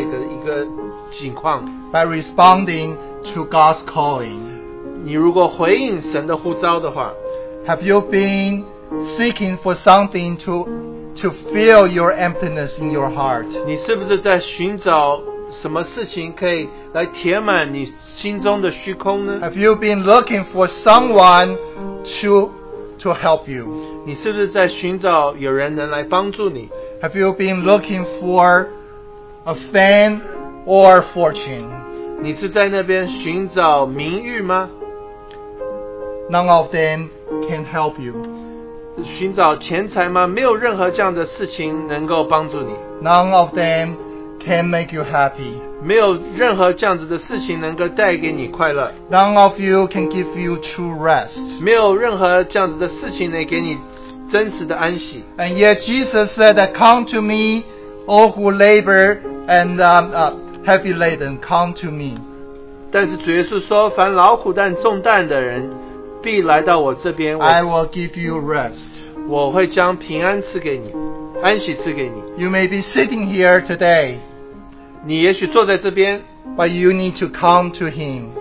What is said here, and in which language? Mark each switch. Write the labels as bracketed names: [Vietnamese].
[Chinese] 你现在就可以经历到回家能够得到真的爱的一个情况。 [English] By responding to God's calling. [Chinese] 你如果回应神的呼召的话, [English] Have you been seeking for something to fill your emptiness in your heart? [Chinese] 你是不是在寻找什么事情可以来填满你心中的虚空呢? [English] Have you been looking for someone to help you? [Chinese] 你是不是在寻找有人能来帮助你? [English] Have you been looking for a fame or fortune? [Chinese] 你是在那边寻找名誉吗? [English] None of them can help you. [Chinese] 寻找钱财吗? 没有任何这样的事情能够帮助你。 [English] None of them can make you happy. [Chinese] 没有任何这样子的事情能够带给你快乐。 [English] None of you can give you true rest. [Chinese] 没有任何这样子的事情能给你真实的安息。 [English] And yet Jesus said that, Come to me, all who labor and heavy laden, come to me. [Chinese] 但是主耶稣说，凡劳苦担重担的人必来到我这边。 [English] I will give you rest. [Chinese] 我会将平安赐给你，安息赐给你。 [English] You may be sitting here today. [Chinese] 你也许坐在这边, [English] but you need to come to him.